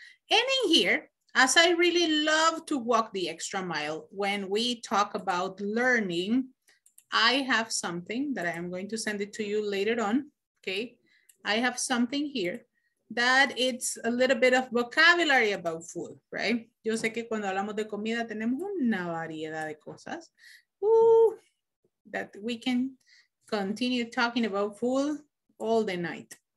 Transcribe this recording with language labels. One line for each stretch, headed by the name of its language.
English: And in here, as I really love to walk the extra mile when we talk about learning, I have something that I am going to send it to you later on, okay? I have something here that it's a little bit of vocabulary about food, right?
Spanish: Yo sé que cuando hablamos de comida tenemos una variedad de cosas.
English: Ooh, that we can continue talking about food all the night.